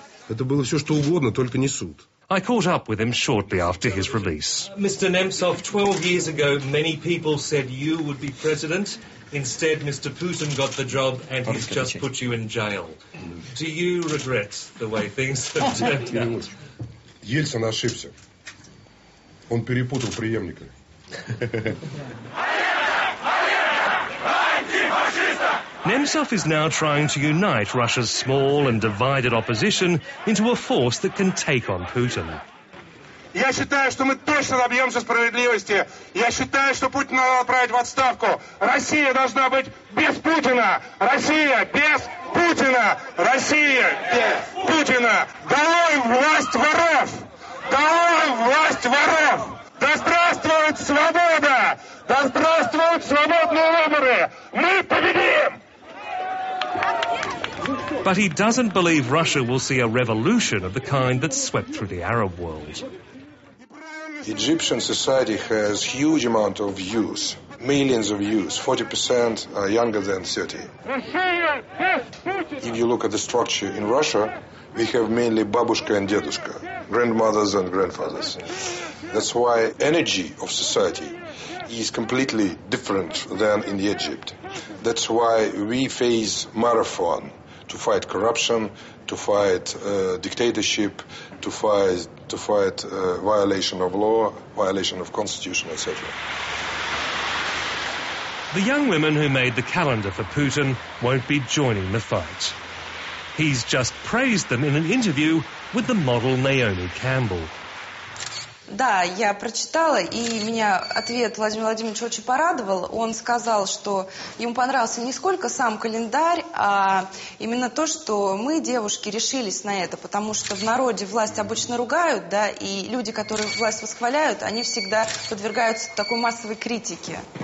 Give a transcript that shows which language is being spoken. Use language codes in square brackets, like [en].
[ru] Это было все, что угодно, только не суд. [en] I caught up with him shortly after his release. Mr. Nemtsov, 12 years ago, many people said you would be president. Instead, Mr. Putin got the job and he's just put you in jail. Do you regret the way things have turned out? [ru] Ельцин ошибся. Он перепутал преемника. [en] Nemtsov is now trying to unite Russia's small and divided opposition into a force that can take on Putin. [ru] Я считаю, что мы точно добьемся справедливости. Я считаю, что Путина надо отправить в отставку. Россия должна быть без Путина. Россия без Путина. Россия без Путина. Долой власть воров! Долой власть воров! Да здравствует свобода! Да здравствуют свободные выборы! Мы победим! [en] But he doesn't believe Russia will see a revolution of the kind that swept through the Arab world. Egyptian society has huge amount of youth, millions of youth, 40% are younger than 30. If you look at the structure in Russia, we have mainly babushka and deduska, grandmothers and grandfathers. That's why energy of society is completely different than in Egypt. That's why we face marathon to fight corruption, to fight dictatorship, to fight violation of law, violation of constitution, etc. The young women who made the calendar for Putin won't be joining the fight. He's just praised them in an interview with the model Naomi Campbell. [ru] Да, я прочитала, и меня ответ Владимира Владимировича очень порадовал. Он сказал, что ему понравился не сколько сам календарь, а именно то, что мы, девушки, решились на это, потому что в народе власть обычно ругают, да, и люди, которые власть восхваляют, они всегда подвергаются такой массовой критике.